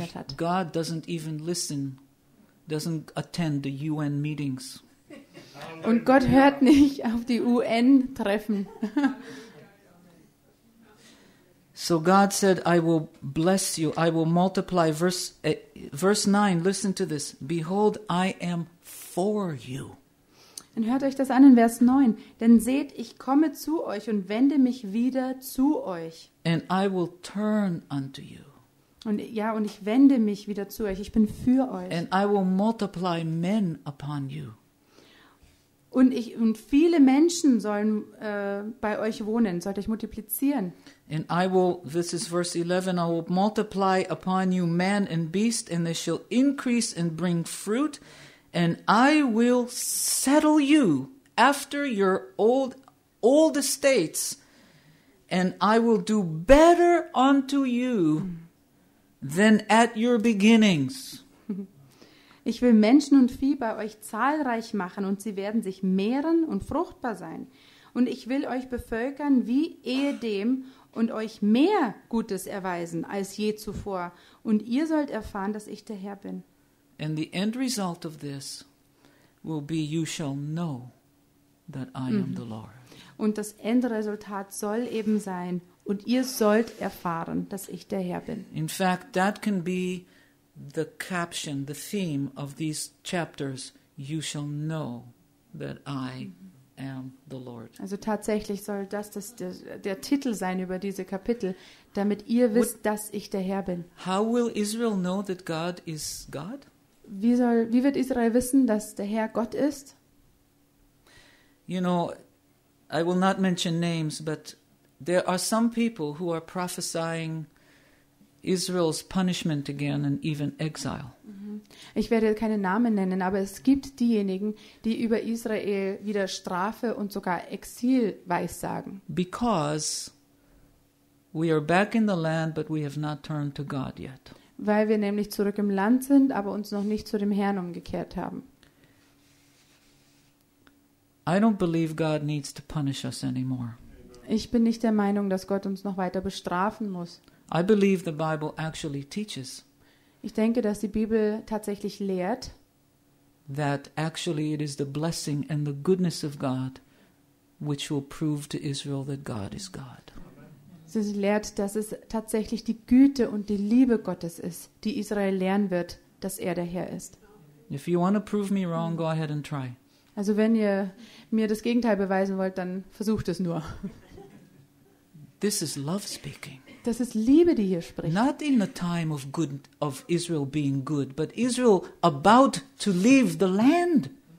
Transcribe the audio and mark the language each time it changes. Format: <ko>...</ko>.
<en>and</en> <de>hat.</de> <en>God doesn't even listen, doesn't attend the UN meetings.</en> <de>Und Gott hört nicht auf die UN-Treffen.</de> <en>So God said, I will bless you, I will multiply. Verse 9, listen to this. Behold, I am for you.</en> <de>Und hört euch das an in Vers 9. Denn seht, ich komme zu euch und wende mich wieder zu euch.</de> <en>And I will turn unto you.</en> <de>Und ich wende mich wieder zu euch. Ich bin für euch.</de> <en>And I will multiply men upon you.</en> <de>Und viele Menschen sollen bei euch wohnen, sollt euch multiplizieren.</de> <en>And I will, this is verse 11, I will multiply upon you man and beast, and they shall increase and bring fruit, and I will settle you after your old estates, and I will do better unto you than at your beginnings.</en> <de>Ich will Menschen und Vieh bei euch zahlreich machen und sie werden sich mehren und fruchtbar sein. Und ich will euch bevölkern wie ehedem und euch mehr Gutes erweisen als je zuvor. Und ihr sollt erfahren, dass ich der Herr bin.</de> <en>And the end result of this will be, you shall know that I am the Lord.</en> <de>Und das Endresultat soll eben sein, und ihr sollt erfahren, dass ich der Herr bin.</de> <en>In fact, that can be the caption, the theme of these chapters, you shall know that I am the Lord.</en> <de>Also tatsächlich soll das der Titel sein über diese Kapitel, damit ihr wisst, dass ich der Herr bin.</de> <en>How will Israel know that God is God?</en> <de>Wie wird Israel wissen, dass der Herr Gott ist?</de> <en>You know, I will not mention names, but there are some people who are prophesying Israel's punishment again and even exile.</en> <de>Ich werde keine Namen nennen, aber es gibt diejenigen, die über Israel wieder Strafe und sogar Exil weissagen.</de> <en>Because we are back in the land, but we have not turned to God yet.</en> <de>Weil wir nämlich zurück im Land sind, aber uns noch nicht zu dem Herrn umgekehrt haben.</de> <en>I don't believe God needs to punish us anymore.</en> <de>Ich bin nicht der Meinung, dass Gott uns noch weiter bestrafen muss.</de> <en>I believe the Bible actually teaches.</en> <de>Ich denke, dass die Bibel tatsächlich lehrt,</de> <en>that actually it is the blessing and the goodness of God which will prove to Israel that God is God.</en> <de>Sie lehrt, dass es tatsächlich die Güte und die Liebe Gottes ist, die Israel lehren wird, dass er der Herr ist.</de> <en>If you want to prove me wrong, go ahead and try.</en> <de>Also wenn ihr mir das Gegenteil beweisen wollt, dann versucht es nur.</de> <en>This is love speaking.</en> <de>Das ist Liebe, die hier spricht.</de> <en>Not in the time of good of Israel being good, but Israel about to leave the land.</en>